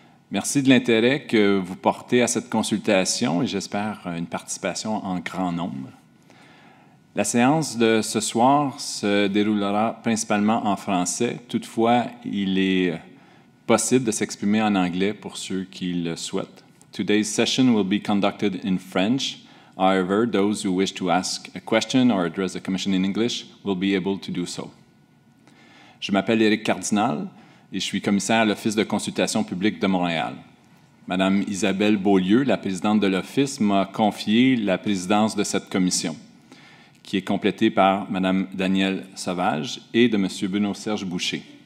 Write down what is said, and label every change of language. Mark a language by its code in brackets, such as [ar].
[fr] Merci de l'intérêt que vous portez à cette consultation et j'espère une participation en grand nombre. La séance de ce soir se déroulera principalement en français. Toutefois, il est possible de s'exprimer en anglais pour ceux qui le souhaitent. [en] Today's session will be conducted in French. However, those who wish to ask a question or address the commission in English will be able to do so. [fr] Je m'appelle Éric Cardinal et je suis commissaire à l'Office de consultation publique de Montréal. Madame Isabelle Beaulieu, la présidente de l'Office, m'a confié la présidence de cette commission, qui est complétée par Madame Danielle Sauvage et de Monsieur Bruno-Serge Boucher.